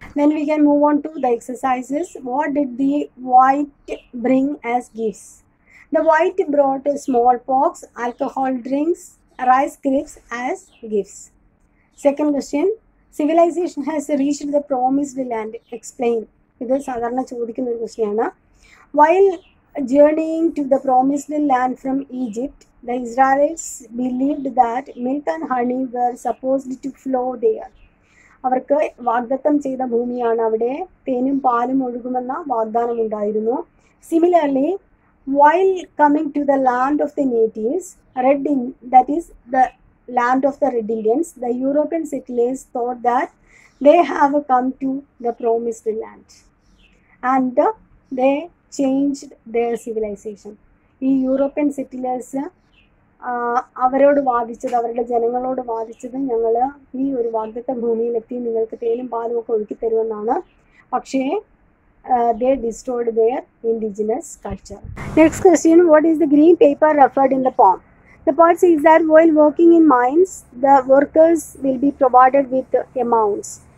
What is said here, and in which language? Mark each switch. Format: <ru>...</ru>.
<en>Then we can move on to the exercises. What did the white bring as gifts? The white brought small pox, alcohol drinks, rice crisps as gifts. Second question, civilization has reached the promised land, explain.</en> <ml>ഇത് സാധാരണ ചോദിക്കുന്ന ഒരു ക്വസ്റ്റ്യനാണ്.</ml> <en>While journeying to the promised land from Egypt, the Israelites believed that milk and honey were supposed to flow there.</en> <ml>അവർക്ക് വാഗ്ദത്തം ചെയ്ത ഭൂമിയാണ് അവിടെ, തേനും പാലും ഒഴുകുമെന്ന വാഗ്ദാനം ഉണ്ടായിരുന്നു.</ml> <en>Similarly, while coming to the land of the natives, red in that is the land of the red Indians, the European settlers thought that they have come to the promised land and they changed their civilization.</en> <ml>ഈ European settlers അവരോട് വാദിച്ചത്, അവരുടെ ജനങ്ങളോട് വാദിച്ചത്, ഞങ്ങൾ ഈ ഒരു വാഗ്ദത്ത ഭൂമിയിലെത്തി, നിങ്ങൾക്ക് തേനും പാലും ഒക്കെ ഒഴുക്കിത്തരുമെന്നാണ്.</ml> <en>പക്ഷേ they destroyed their indigenous culture. Next question, what is the green paper referred in the poem? The poem says that while working in mines the workers will be provided with amounts.</en>